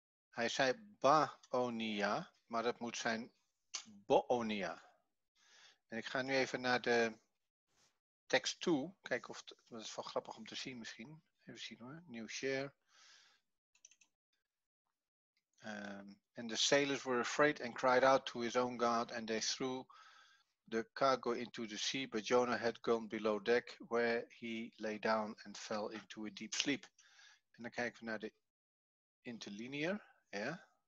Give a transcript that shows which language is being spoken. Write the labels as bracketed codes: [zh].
[nl] Hij zei ba-onia, maar dat moet zijn bo-onia. En ik ga nu even naar de tekst toe. Kijk of het is wel grappig om te zien misschien. Even zien hoor. [en] New share. And the sailors were afraid and cried out to his own God, and they threw the cargo into the sea, but Jonah had gone below deck, where he lay down and fell into a deep sleep. [nl] En dan kijken we naar de interlinear. Ja. Yeah.